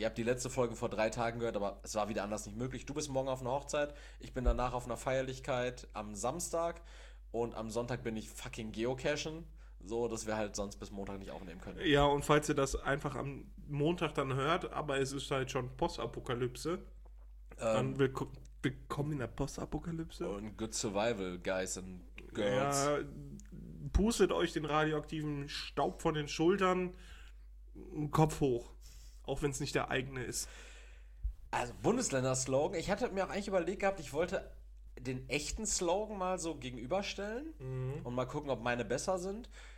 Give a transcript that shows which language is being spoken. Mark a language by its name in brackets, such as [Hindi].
[German] Ihr habt die letzte Folge vor 3 Tagen gehört, aber es war wieder anders nicht möglich. Du bist morgen auf einer Hochzeit, ich bin danach auf einer Feierlichkeit am Samstag und am Sonntag bin ich fucking geocachen, so dass wir halt sonst bis Montag nicht aufnehmen können. Ja, und falls ihr das einfach am Montag dann hört, aber es ist halt schon Postapokalypse, dann willkommen in der Postapokalypse. Und [English] good survival, guys and girls. [German] Ja, pustet euch den radioaktiven Staub von den Schultern, Kopf hoch, auch wenn es nicht der eigene ist. Also Bundesländer-Slogan. Ich hatte mir auch eigentlich überlegt gehabt, ich wollte den echten Slogan mal so gegenüberstellen und mal gucken, ob meine besser sind.